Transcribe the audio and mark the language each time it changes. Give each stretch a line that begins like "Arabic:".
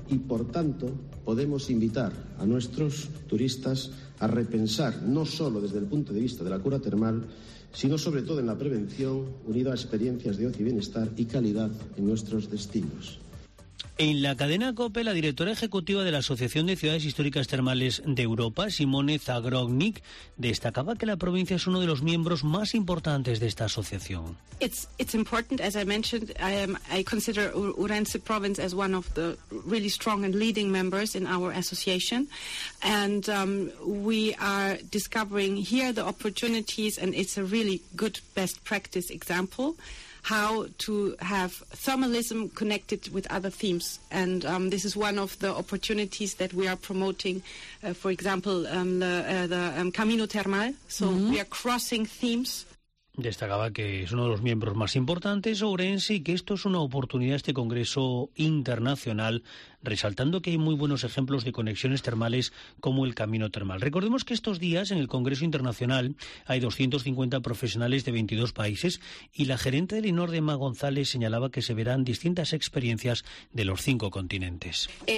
Spanish: Y por tanto, podemos invitar a nuestros turistas a repensar, no solo desde el punto de vista de la cura termal, sino sobre todo en la prevención, unido a experiencias de ocio y bienestar y calidad en nuestros destinos. En la cadena COPE, la directora ejecutiva de la Asociación de Ciudades Históricas Termales de Europa, Simone Zagrognik, destacaba que la provincia es uno de los miembros más importantes de esta asociación.
English: It's important, as I mentioned, I consider Ourense province as one of the really strong and leading members in our association, and we are discovering here the opportunities, and it's a really good best practice example. How to have thermalism connected with other themes. And this is one of the opportunities that we are promoting, for example, the Camino Termal. So We are crossing themes.
Spanish: Destacaba que es uno de los miembros más importantes, Ourense, y que esto es una oportunidad, este congreso internacional, resaltando que hay muy buenos ejemplos de conexiones termales como el Camino Termal. Recordemos que estos días en el Congreso Internacional hay 250 profesionales de 22 países y la gerente del INOR, Emma González, señalaba que se verán distintas experiencias de los 5 continentes.